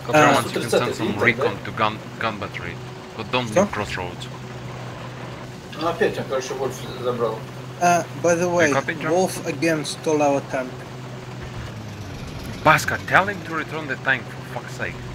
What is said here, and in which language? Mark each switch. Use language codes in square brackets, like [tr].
[en] Germans, you can send some recon to gun battery. But don't leave crossroads. [ru] Ну опять я, короче, Wolf забрал. [en] By the way, Wolf again stole our tank. Baska, tell him to return the tank, for fuck's sake.